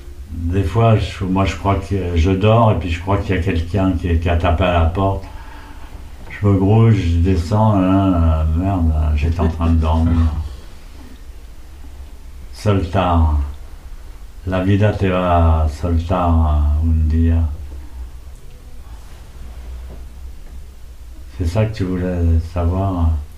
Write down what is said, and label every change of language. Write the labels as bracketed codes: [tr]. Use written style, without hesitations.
[fr] Des fois, moi je crois que je dors et puis je crois qu'il y a quelqu'un qui a tapé à la porte. Je me grouille, je descends, merde, j'étais en train de dormir. [es] Soltar. La vida te va soltar un día. [fr] C'est ça que tu voulais savoir?